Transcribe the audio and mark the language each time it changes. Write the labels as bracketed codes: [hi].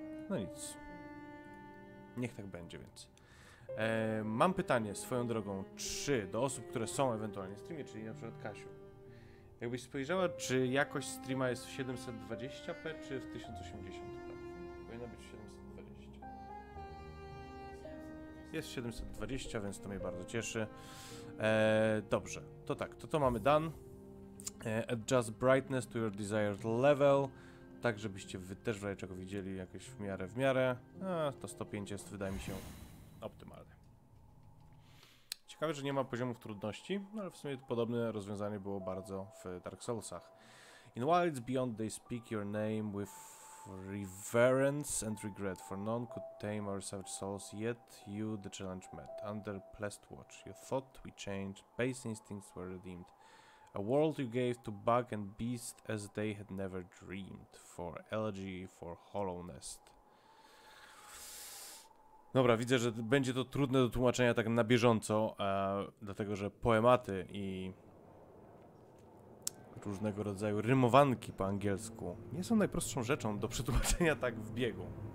[pl] No nic. Niech tak będzie więc. Mam pytanie swoją drogą, czy do osób, które są ewentualnie w streamie, czyli na przykład Kasiu. Jakbyś spojrzała, czy jakość streama jest w 720p, czy w 1080p? Powinna być 720. Jest 720, więc to mnie bardzo cieszy. Dobrze, to tak, to mamy done. [en] Adjust brightness to your desired level. [pl] Tak, żebyście wy też w razie czego widzieli jakieś w miarę. To 105 jest, wydaje mi się, optymalne. Ciekawe, że nie ma poziomów trudności, ale w sumie podobne rozwiązanie było bardzo w Dark Soulsach. [en] In wilds beyond they speak your name with reverence and regret. For none could tame our savage souls, yet you the challenge met. Under blessed watch, you thought we changed, base instincts were redeemed. A world you gave to bug and beast as they had never dreamed. For elegy, for hollow nest. [pl] Dobra, widzę, że będzie to trudne do tłumaczenia tak na bieżąco, dlatego że poematy i różnego rodzaju rymowanki po angielsku nie są najprostszą rzeczą do przetłumaczenia tak w biegu.